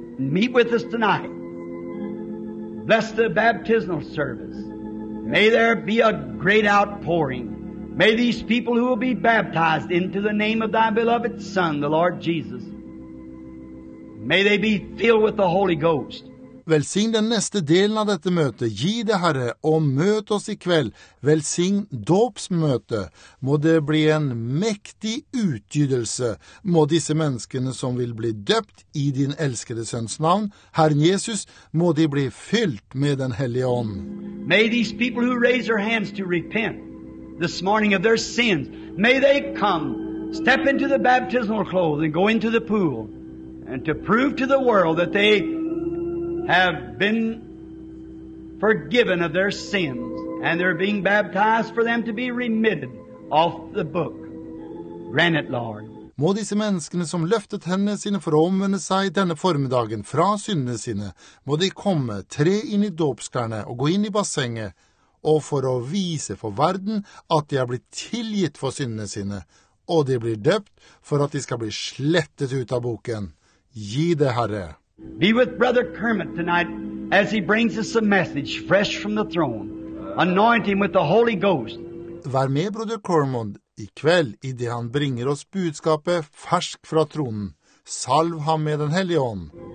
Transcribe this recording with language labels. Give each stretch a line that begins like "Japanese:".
English: Meet with us tonight. Bless the baptismal service. May there be a great outpouring. May these people who will be baptized into the name of thy beloved Son, the Lord Jesus, may they be filled with the Holy Ghost.
Norwegian: Velsign den neste delen av dette møtet. Gi det, Herre, og møt oss I kveld. Velsign dåpsmøte. Må det bli en mektig utgydelse. Må disse menneskene som vil bli døpt I din elskede sønns navn, Herren Jesus, må de bli fylt med den hellige ånd.
English: May these people who raise their hands to repent this morning of their sins, may they come, step into the baptismal clothes and go into the pool. And to prove to the world that they have been forgiven of their sins and they're being baptized for them to be remitted off the book. Grant it, Lord.
Norwegian: Må disse menneskene som løftet hendene sine for å omvende seg denne formiddagen fra syndene sine, må de komme, tre inn I dåpsklærne og gå inn I bassenget, og for å vise for verden at de har blitt tilgitt for syndene sine, og de blir døpt for at de skal bli slettet ut av boken. Gi det, Herre.
English: Be with Brother Kermit tonight as he brings us a message fresh from the throne. Anoint him with the Holy Ghost.
Norwegian: Vær med Brother Cormond I kveld I det han bringer oss budskapet fersk fra tronen. Salv ham med den hellige ånd.